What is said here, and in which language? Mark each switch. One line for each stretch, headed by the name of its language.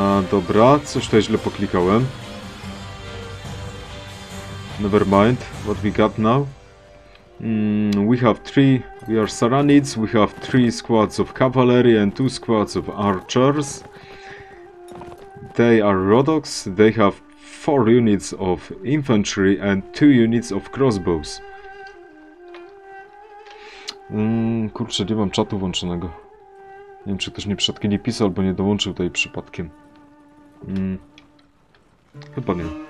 Polish: Dobra, coś tutaj źle poklikałem.
English: Never mind, what we got now? We have three, we are Saranids, we have three squads of cavalry and two squads of archers. They are Rodoks, they have four units of infantry and two units of crossbows.
Polish: Kurczę, nie mam czatu włączonego. Nie wiem, czy ktoś mi przypadkiem nie pisał, albo nie dołączył tutaj przypadkiem. Chyba nie.